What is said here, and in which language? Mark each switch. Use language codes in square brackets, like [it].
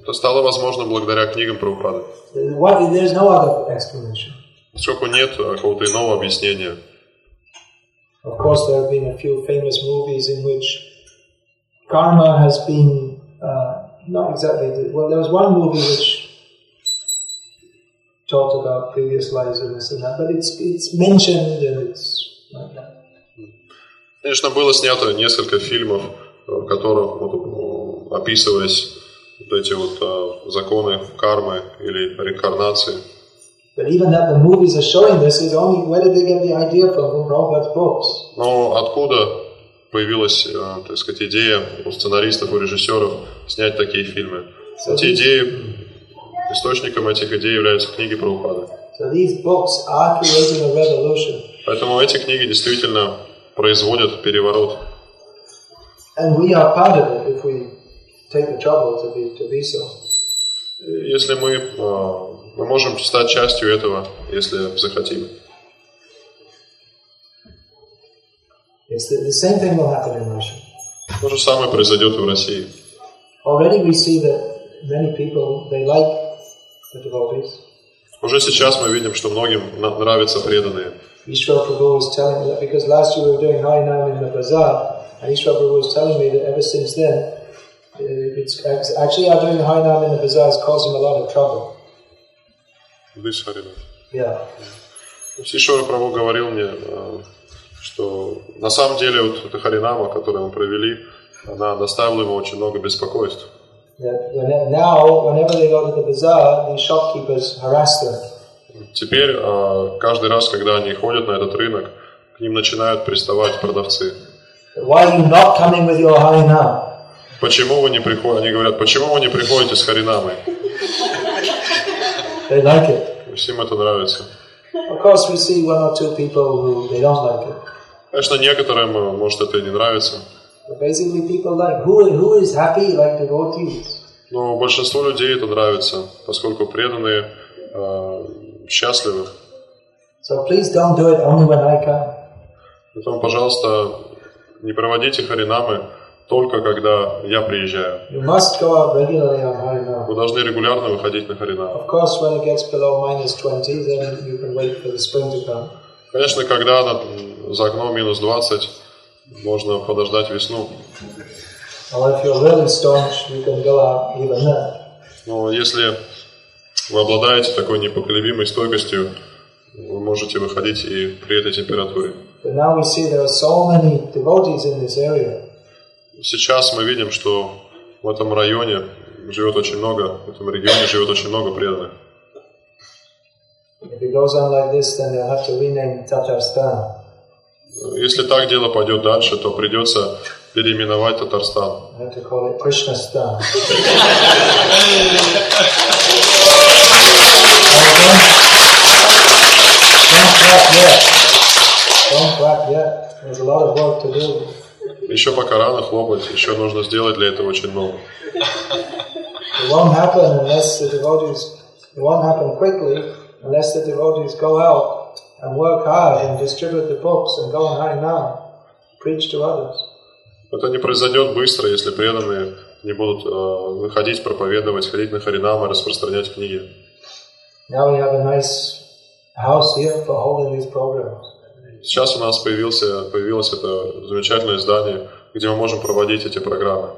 [ru] Это стало возможно благодаря книгам Прабхупады. [en] What? There's no other explanation. [ru] Поскольку нет какого-то иного объяснения. [en] Of course, there have been a few famous movies in which karma has been not exactly. Well, there was one movie which talked about previous lives and this and that, but it's mentioned and it's like that. [ru] Конечно, было снято несколько фильмов, в которых описывались вот эти вот законы кармы или реинкарнации. [en] But even that the movies are showing this is only where did they get the idea from Robert Brooks? [ru] Но откуда появилась, так сказать, идея у сценаристов, у режиссеров снять такие фильмы? So эти идеи источником этих идей являются книги Прабхупады. [en] So these books are creating a revolution. [ru] Поэтому эти книги действительно производят переворот. [en] And we are part of it if we take the trouble to be so. [ru] Если мы, мы можем стать частью этого, если захотим. [en] Yes, the same thing will happen in Russia. [ru] То же самое произойдет и в России. [en] Already we see that many people, they like the devotees. [ru] Уже сейчас мы видим, что многим нравятся преданные. [en] Ishwar Prabhu was telling me that because last year we were doing Harinam in the bazaar, and Ishwar Prabhu was telling me that ever since then, it's actually our doing Harinam in the bazaar is causing a lot of trouble. This Harinam. Yeah. [ru] Ishwar Prabhu говорил мне, что на самом деле вот эта Харинама, которую мы провели, она доставила ему очень много беспокойств. [en] Now, whenever they go to the bazaar, the shopkeepers harass them. [ru] Теперь каждый раз, когда они ходят на этот рынок, к ним начинают приставать продавцы. [en] Why are you not coming with your Harinam? [ru] Почему вы не приходите? Они говорят, почему вы не приходите с Харинамой? [en] They like it. [ru] Всем это нравится. [en] Of course, we see one or two people who they don't like it. [ru] Конечно, некоторым может это и не нравится. [en] But basically, people like who is happy like devotees. [ru] Но большинство людей это нравится, поскольку преданные счастливы. [en] So please don't do it only when I come. [ru] Поэтому, пожалуйста, не проводите харинамы только когда я приезжаю. [en] You must go out regularly on harinam. [ru] Вы должны регулярно выходить на харинамы. [en] Of course, when it gets below minus 20, then you can wait for the spring to come. [ru] Конечно, когда за окном минус 20, можно подождать весну. [en] Well, if you're really staunch, you can go out even then. [ru] Но если вы обладаете такой непоколебимой стойкостью, вы можете выходить и при этой температуре. [en] But now we see there are so many devotees in this area. [ru] Сейчас мы видим, что в этом районе живет очень много, в этом регионе живет очень много преданных. [en] If it goes on like this, then they'll have to rename Tatarstan. [ru] Если так дело пойдет дальше, то придется переименовать Татарстан. [en] I have to call it Krishnastan. Don't clap yet. Don't clap yet. There's a lot of work to do. [ru] Еще пока рано хлопать. Еще нужно сделать для этого очень много. [en] It won't happen unless the devotees. It won't happen quickly unless the devotees go out and work hard and distribute the books and go on Harinam, preach to others. [ru] Это не произойдет быстро, если преданные не будут выходить, проповедовать, ходить на Харинам и распространять книги. [en] Now we have a nice house here for holding these programs. [ru] Сейчас у нас появилось это замечательное здание, где мы можем проводить эти программы.